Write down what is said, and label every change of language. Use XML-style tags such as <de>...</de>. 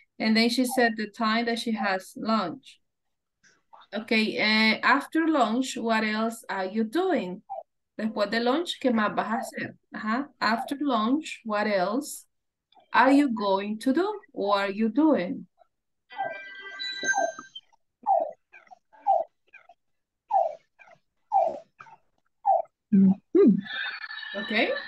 <en>And then she said the time that she has lunch. Ok, after lunch, what else are you doing?</en> <es>Después de lunch, ¿qué más vas a hacer? Ajá.</es> <en>After lunch, what else are you going to do? What are you doing? Mm-hmm. Okay.</en>